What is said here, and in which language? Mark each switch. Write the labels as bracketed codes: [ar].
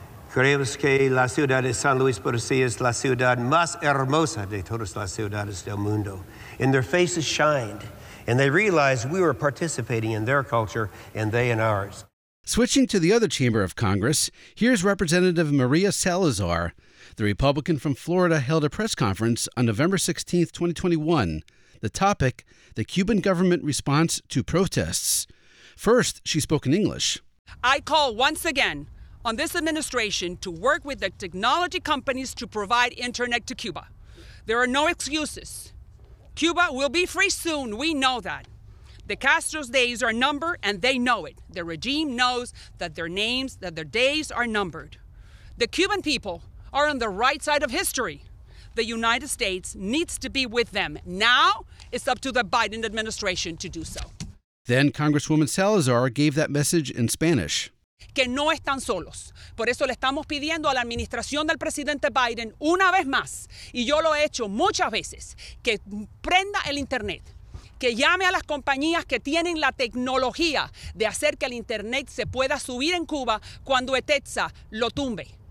[es] Creemos que la ciudad de San Luis Potosí es la ciudad más hermosa de todas las ciudades del mundo. [en] And their faces shined, and they realized we were participating in their culture, and they in ours. Switching to the other chamber of Congress, here's Representative Maria Salazar. The Republican from Florida held a press conference on November 16, 2021. The topic, the Cuban government response to protests. First, she spoke in English. I call once again on this administration to work with the technology companies to provide internet to Cuba. There are no excuses. Cuba will be free soon. We know that. The Castro's days are numbered, and they know it. The regime knows that their names, that their days are numbered. The Cuban people are on the right side of history. The United States needs to be with them. Now it's up to the Biden administration to do so. Then Congresswoman Salazar gave that message in Spanish. [es] Que no están solos. Por eso le estamos pidiendo a la administración del presidente Biden una vez más, y yo lo he hecho muchas veces, que prenda el internet, que llame a las compañías que tienen la tecnología de hacer que el Internet se pueda subir en Cuba cuando ETSA lo tumbe.